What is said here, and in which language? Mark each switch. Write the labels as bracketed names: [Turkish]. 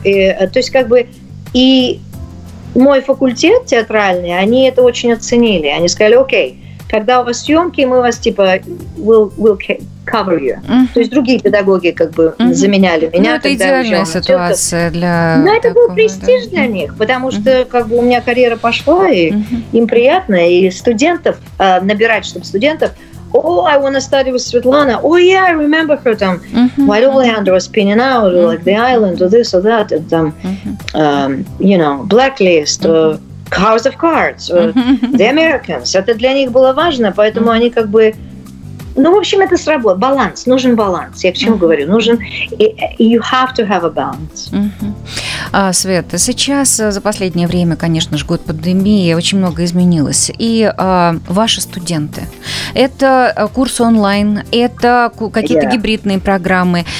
[Russian] То есть как бы и мой факультет театральный, они это очень оценили, они сказали, окей, когда у вас съемки, мы вас типа [English] will cover you. [Russian] То есть другие педагоги как бы заменяли меня. Ну, это идеальная ситуация для... Но это был престиж для них, потому что как бы у меня карьера пошла, и им приятно, и студентов набирать, чтобы студентов... [English] Oh, I want to study with Svetlana. Oh, yeah, I remember her [Russian] там. [English] White Oleander was spinning out, or like The Island, or this, or that, and [Russian] там, [English] you know, Blacklist, House of Cards, The Americans. [Russian] Это для них было важно, поэтому они как бы... Ну, в общем, это сработало. Баланс. Нужен баланс. Я к чему говорю? Нужен... [English] You have to have a balance. [Russian] Свет, сейчас за последнее время, конечно же, год пандемии, очень многое изменилось. И ваши студенты. Это курс онлайн, это какие-то гибридные программы.